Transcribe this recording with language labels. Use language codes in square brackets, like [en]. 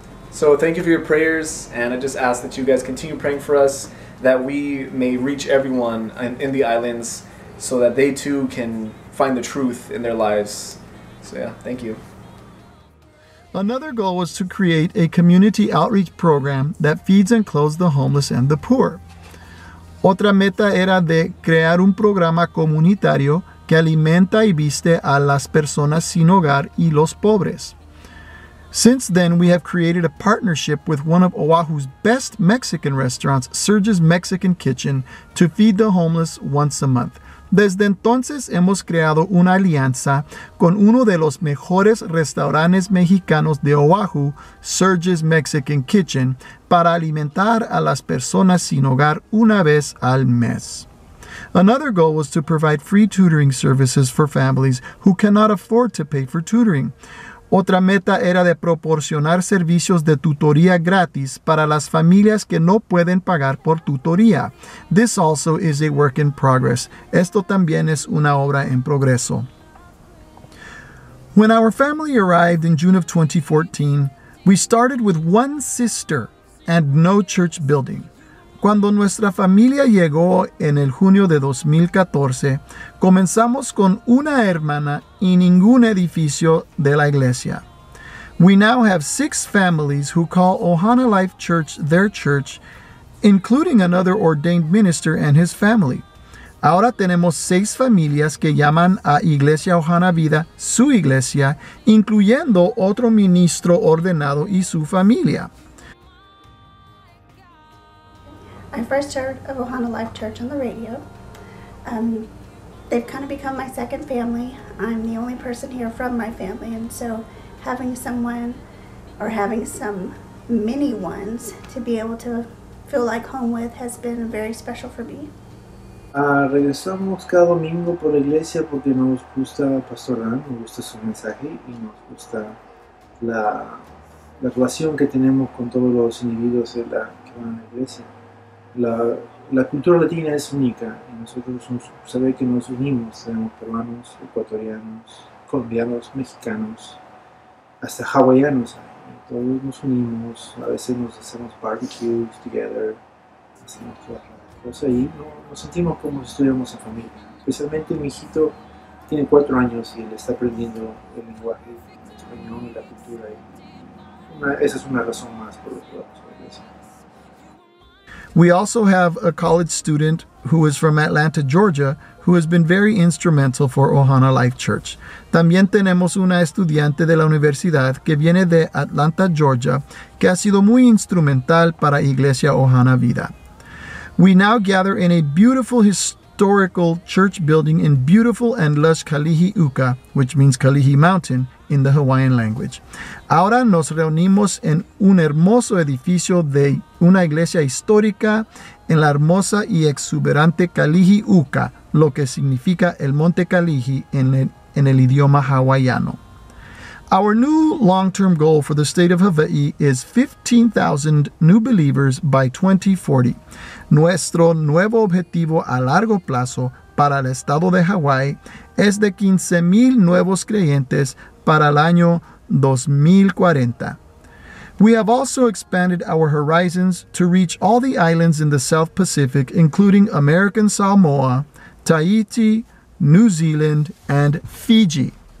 [en] So thank you for your prayers, and I just ask that you guys continue praying for us, that we may reach everyone in the islands so that they too can find the truth in their lives. So yeah, thank you. Another goal was to create a community outreach program that feeds and clothes the homeless and the poor. [es] Otra meta era de crear un programa comunitario que alimenta y viste a las personas sin hogar y los pobres. [en] Since then, we have created a partnership with one of Oahu's best Mexican restaurants, Surge's Mexican Kitchen, to feed the homeless once a month. [es] Desde entonces, hemos creado una alianza con uno de los mejores restaurantes mexicanos de Oahu, Surge's Mexican Kitchen, para alimentar a las personas sin hogar una vez al mes. [en] Another goal was to provide free tutoring services for families who cannot afford to pay for tutoring. [es] Otra meta era de proporcionar servicios de tutoría gratis para las familias que no pueden pagar por tutoría. [en] This also is a work in progress. [es] Esto también es una obra en progreso. [en] When our family arrived in June of 2014, we started with one sister and no church building. [es] Cuando nuestra familia llegó en el junio de 2014, comenzamos con una hermana y ningún edificio de la iglesia. [en] We now have six families who call Ohana Life Church their church, including another ordained minister and his family. [es] Ahora tenemos seis familias que llaman a Iglesia Ohana Vida su iglesia, incluyendo otro ministro ordenado y su familia. [en] I first heard of Ohana Life Church on the radio. They've kind of become my second family. I'm the only person here from my family, and so having someone, or having some mini ones to be able to feel like home with, has been very special for me. [es] Regresamos cada domingo por la iglesia porque nos gusta pastorar, nos gusta su mensaje y nos gusta la relación que tenemos con todos los individuos de la que van a la iglesia. La cultura latina es única y nosotros sabemos que nos unimos, tenemos peruanos, ecuatorianos, colombianos, mexicanos, hasta hawaianos. Todos nos unimos, a veces nos hacemos [en] barbecues together, [es] hacemos todas las cosas ahí, nos sentimos como si estuviéramos en familia. Especialmente mi hijito tiene 4 años y él está aprendiendo el lenguaje español y la cultura. Esa es una razón más por la que vamos a la iglesia. [en] We also have a college student who is from Atlanta, Georgia, who has been very instrumental for Ohana Life Church. [es] También tenemos una estudiante de la universidad que viene de Atlanta, Georgia, que ha sido muy instrumental para Iglesia Ohana Vida. [en] We now gather in a beautiful historical church building in beautiful and lush Kalihi'uka, which means Kalihi Mountain, in the Hawaiian language. [es] Ahora nos reunimos en un hermoso edificio de una iglesia histórica en la hermosa y exuberante Kalihi'uka, lo que significa el Monte Kalihi en el idioma hawaiano. [en] Our new long-term goal for the state of Hawaii is 15,000 new believers by 2040. [es] Nuestro nuevo objetivo a largo plazo para el estado de Hawaii es de 15,000 nuevos creyentes para el año 2040. [en] We have also expanded our horizons to reach all the islands in the South Pacific, including American Samoa, Tahiti, New Zealand, and Fiji.